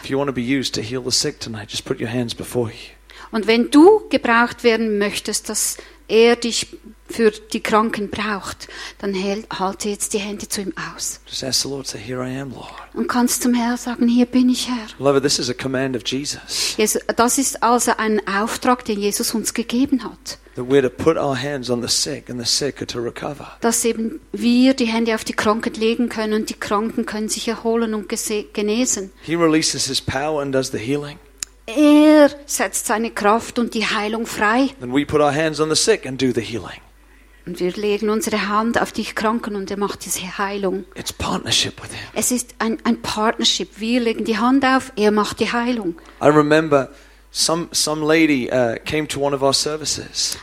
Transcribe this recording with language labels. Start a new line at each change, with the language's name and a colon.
English: If you want to be used to heal the sick tonight, just put your hands before you.
German: Und wenn du gebraucht werden möchtest, dass er dich für die Kranken braucht, dann halte jetzt die Hände zu ihm aus.
English: Just ask the Lord, say, here I am, Lord.
German: Und kannst zum Herrn sagen, hier bin ich, Herr.
English: Love, this is a command of Jesus.
German: Das ist also ein Auftrag, den Jesus uns gegeben hat.
English: That we're to put our hands on the sick and the sick are to recover.
German: Dass eben wir die Hände auf die Kranken legen können und die Kranken können sich erholen und genesen.
English: He releases his power and does the healing.
German: Er setzt seine Kraft und die Heilung frei.
English: Then we put our hands on the sick and do the healing.
German: Und wir legen unsere Hand auf die Kranken und er macht diese Heilung.
English: It's partnership with him.
German: Es ist ein Partnership. Wir legen die Hand auf, er macht die Heilung.
English: I remember some lady came to one of our services.